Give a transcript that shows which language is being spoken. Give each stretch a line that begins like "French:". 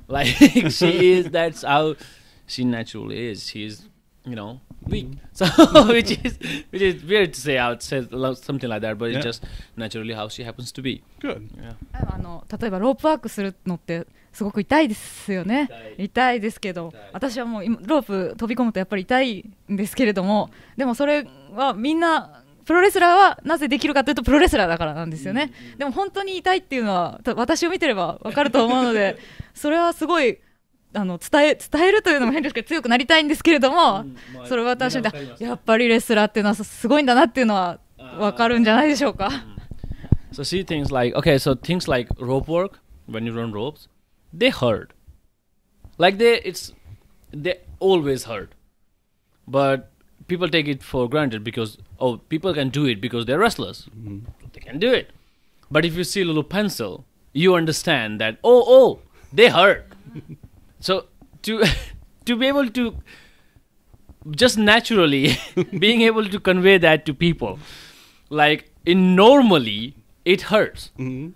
English: Like she is, that's how she naturally is. She's, you know. Weak, so which is weird to say out, say something like that, but it's just naturally how she happens to be. Good. Yeah.
Japanese: あの例えばロープワークするのってすごく痛いですよね。痛いですけど、私はもうロープ飛び込むとやっぱり痛いんですけれども、でもそれはみんなプロレスラーはなぜできるかというとプロレスラーだからなんですよね。でも本当に痛いっていうのは私を見てればわかると思うので、それはすごい。あの伝えるというのも変ですけど強くなりたいんですけれども、うんまあ、それは私にとってやっぱりレスラーっていうのはすごいんだなっていうのは分かるんじゃないでしょうか、
English: So see things like okay so things like rope work when you run ropes they hurt like they always hurt but people take it for granted because oh people can do it because they're wrestlers、mm-hmm. they can do it but if you see Lulu Pencil you understand that oh they hurt So to be able to just naturally being able to convey that to people like in normally it hurts、mm-hmm.